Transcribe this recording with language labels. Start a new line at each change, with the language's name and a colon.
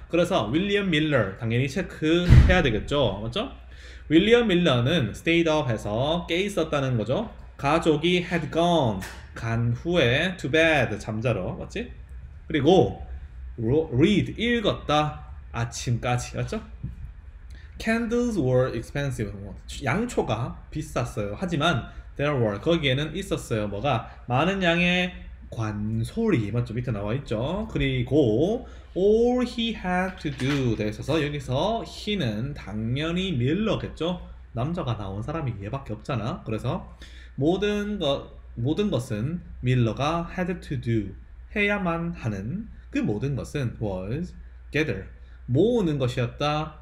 Korean: 그래서 윌리엄 밀러 당연히 체크해야 되겠죠. 맞죠? 윌리엄 밀러는 stayed up 해서 깨 있었다는 거죠. 가족이 had gone 간 후에 too bad 잠자로 맞지? 그리고 read 읽었다 아침까지 맞죠?
English: Candles were expensive.
Korean: 양초가 비쌌어요. 하지만 there were 거기에는 있었어요. 뭐가 많은 양의 관소리 맞죠? 밑에 나와 있죠. 그리고 all he had to do 돼 있어서 여기서 he는 당연히 밀러겠죠. 남자가 나온 사람이 얘밖에 없잖아. 그래서 모든 것은 밀러가 had to do 해야만 하는 그 모든 것은 was gather 모으는 것이었다.